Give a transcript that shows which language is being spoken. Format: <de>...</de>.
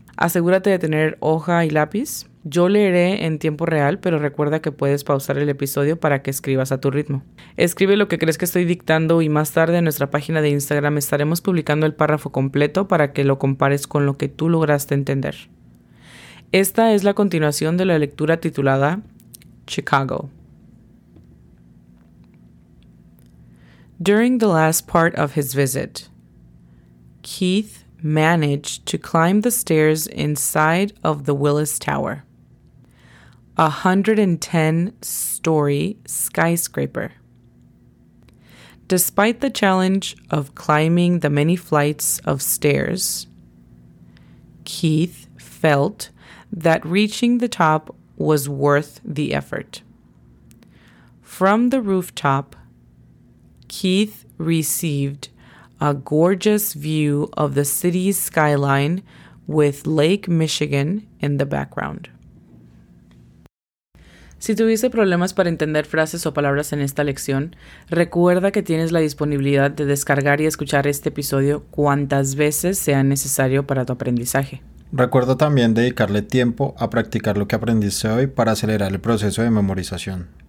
<es>Asegúrate de tener hoja y lápiz. Yo leeré en tiempo real, pero recuerda que puedes pausar el episodio para que escribas a tu ritmo. Escribe lo que crees que estoy dictando y más tarde en nuestra página de Instagram estaremos publicando el párrafo completo para que lo compares con lo que tú lograste entender. Esta es la continuación de la lectura titulada Chicago.</es> <en>During the last part of his visit, Keith managed to climb the stairs inside of the Willis Tower, a 110-story skyscraper. Despite the challenge of climbing the many flights of stairs, Keith felt that reaching the top was worth the effort. From the rooftop, Keith received a gorgeous view of the city's skyline with Lake Michigan in the background.</en> <es>Si tuviste problemas para entender frases o palabras en esta lección, recuerda que tienes la disponibilidad de descargar y escuchar este episodio cuantas veces sea necesario para tu aprendizaje. Recuerda también dedicarle tiempo a practicar lo que aprendiste hoy para acelerar el proceso de memorización.</es>